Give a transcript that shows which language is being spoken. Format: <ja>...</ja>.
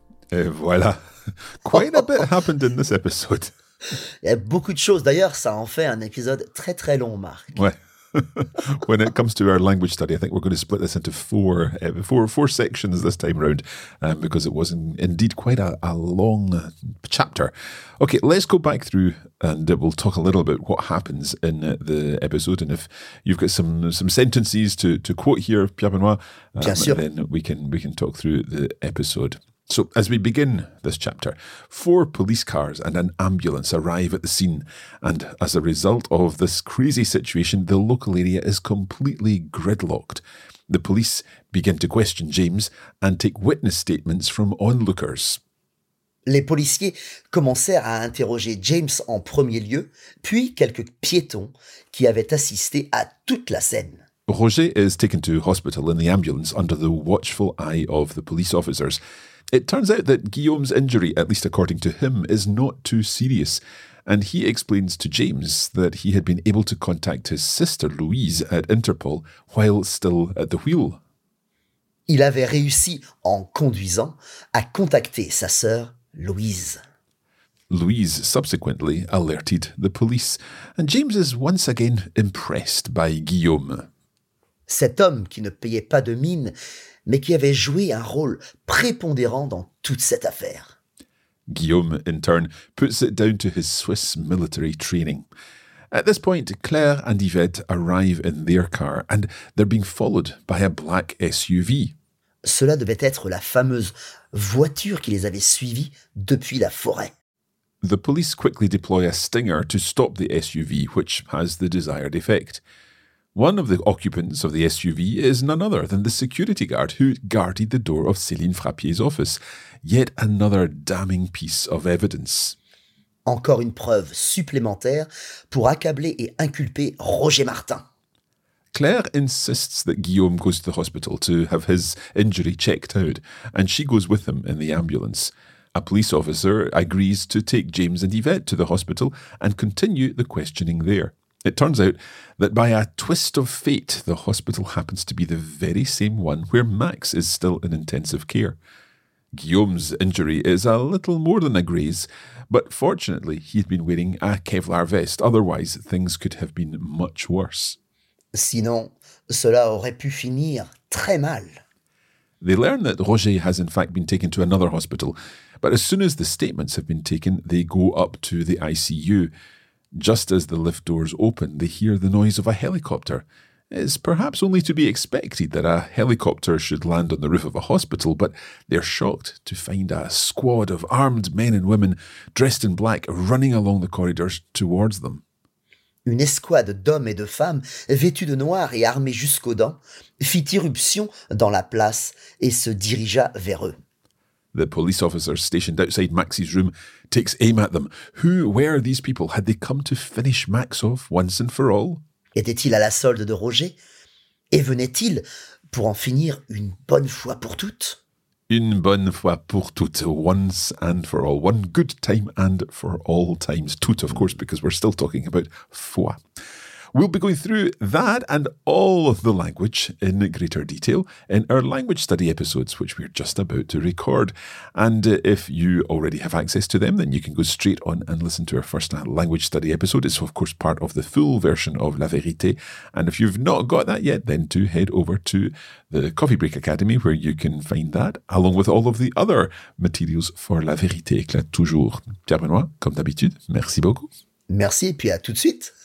<fr>Voilà.</fr> <en>Quite a bit happened in this episode.</en> <fr>Il y a beaucoup de choses. D'ailleurs, ça en fait un épisode très très long, Marc. Ouais.</fr> <en>When it comes to our language study, I think we're going to split this into four sections this time around, because it was indeed quite a long chapter. Okay, let's go back through and we'll talk a little about what happens in the episode. And if you've got some sentences to quote here, Pierre-Benoît, then we can talk through the episode. So as we begin this chapter, four police cars and an ambulance arrive at the scene. And as a result of this crazy situation, the local area is completely gridlocked. The police begin to question James and take witness statements from onlookers.</en> <fr>Les policiers commencèrent à interroger James en premier lieu, puis quelques piétons qui avaient assisté à toute la scène.</fr> <en>Roger is taken to hospital in the ambulance under the watchful eye of the police officers. It turns out that Guillaume's injury, at least according to him, is not too serious. And he explains to James that he had been able to contact his sister Louise at Interpol while still at the wheel.</en> <fr>Il avait réussi, en conduisant, à contacter sa sœur Louise.</fr> <en>Louise subsequently alerted the police. And James is once again impressed by Guillaume.</en> <fr>Cet homme qui ne payait pas de mine, mais qui avait joué un rôle prépondérant dans toute cette affaire.</fr> <en>Guillaume, in turn, puts it down to his Swiss military training. At this point, Claire and Yvette arrive in their car and they're being followed by a black SUV.</en> <fr>Cela devait être la fameuse voiture qui les avait suivis depuis la forêt.</fr> <en>The police quickly deploy a stinger to stop the SUV, which has the desired effect. One of the occupants of the SUV is none other than the security guard who guarded the door of Céline Frappier's office. Yet another damning piece of evidence.</en> <fr>Encore une preuve supplémentaire pour accabler et inculper Roger Martin.</fr> <en>Claire insists that Guillaume goes to the hospital to have his injury checked out, and she goes with him in the ambulance. A police officer agrees to take James and Yvette to the hospital and continue the questioning there. It turns out that by a twist of fate, the hospital happens to be the very same one where Max is still in intensive care. Guillaume's injury is a little more than a graze, but fortunately he'd been wearing a Kevlar vest, otherwise things could have been much worse.</en> <fr>Sinon, cela aurait pu finir très mal.</fr> <en>They learn that Roger has in fact been taken to another hospital. But as soon as the statements have been taken, they go up to the ICU. Just as the lift doors open, they hear the noise of a helicopter. It's perhaps only to be expected that a helicopter should land on the roof of a hospital, but they're shocked to find a squad of armed men and women dressed in black running along the corridors towards them.</en> <fr>Une escouade d'hommes et de femmes, vêtus de noir et armés jusqu'aux dents, fit irruption dans la place et se dirigea vers eux.</fr> <en>The police officer stationed outside Max's room takes aim at them. Who were these people? Had they come to finish Max off once and for all?</en> <fr>Était-il à la solde de Roger? Et venait-il pour en finir une bonne fois pour toutes? Une bonne fois pour toutes,</fr> <en>once and for all. One good time and for all times. Toutes, of course, because we're still talking about fois. We'll be going through that and all of the language in greater detail in our language study episodes, which we're just about to record. And if you already have access to them, then you can go straight on and listen to our first language study episode. It's, of course, part of the full version of La Vérité. And if you've not got that yet, then do head over to the Coffee Break Academy, where you can find that, along with all of the other materials for La Vérité éclate toujours.</en> <fr>Pierre Benoît, comme d'habitude, merci beaucoup. Merci et puis à tout de suite.</fr>